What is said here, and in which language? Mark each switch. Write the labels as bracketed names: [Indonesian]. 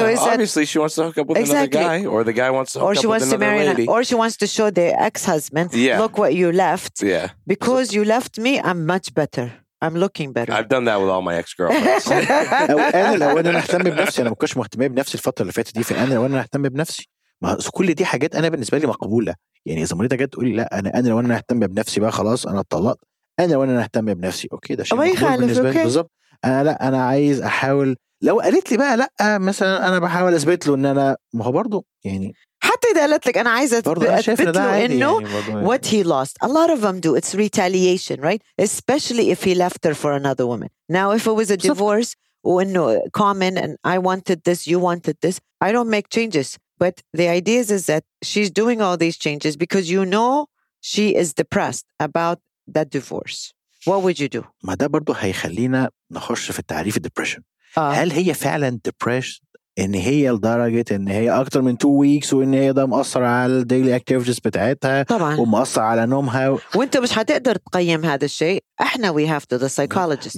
[English] Obviously she wants to hook up with another guy, or the guy wants to hook up with another lady, or she wants to show the ex-husband, look what you left, because you left me, I'm much better, I'm looking better. I've done that with all my ex-girlfriends. [Arabic] انا لو انا اهتم بنفسي انا ما كنتش مهتم بنفسي الفتره اللي فاتت دي. في انا لو انا اهتم بنفسي ما كل دي حاجات انا بالنسبه لي مقبوله. يعني اذا مريضه جت تقول لي لا انا لو انا اهتم بنفسي بقى خلاص انا اتطلقت. انا لو انا اهتم بنفسي اوكي ده شيء بالنسبه لي بالظبط. انا لا انا عايز احاول. لو قالت لي بقى لا مثلا انا بحاول اثبت له ان انا ما هو برضه يعني حتى اذا قالت لك انا عايز اثبت له انه يعني [English] what he lost. A lot of them do. It's retaliation, right? Especially if he left her for another woman. Now if it was a divorce وانه common and I wanted this, you wanted this, I don't make changes. But the idea is that she's doing all these changes because you know she is depressed about that divorce. What would you do? [Arabic] ما ده برضو هيخلينا نخش في التعريف depression. هل هي فعلا depressed ان هي لدرجة ان هي اكتر من 2 weeks وان هي ده مأثر على daily activities بتاعتها ومأثر على نومها وانت مش هتقدر تقيم هذا الشيء. [English] احنا we have to the psychologist.